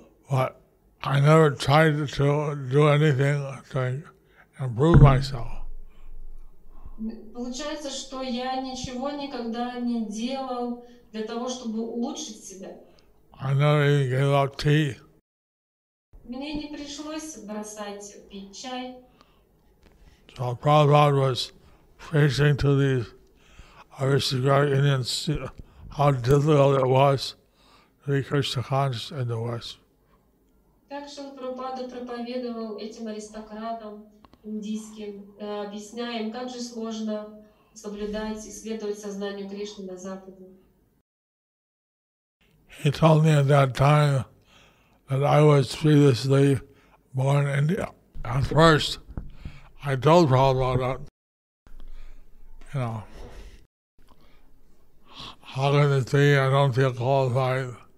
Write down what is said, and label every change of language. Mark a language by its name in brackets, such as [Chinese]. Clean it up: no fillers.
[English] But I never tried to do anything to improve myself. [Russian] Получается, что я ничего никогда не делал для того, чтобы улучшить себя. [English] I never even gave up tea. [Russian] Мне не пришлось бросать пить чай. [English] So Prabhupada was preaching to these aristocratic Indians how difficult it was to be Krishna conscious in the West. [Russian] Так что Прабхупада проповедовал этим аристократам, индийским, объясняем, как же сложно соблюдать и следовать сознанию Кришны на Западе. [English] He told me at that time that I was previously born in India. At first, I told Prabhupada, how can it be I don't feel qualified?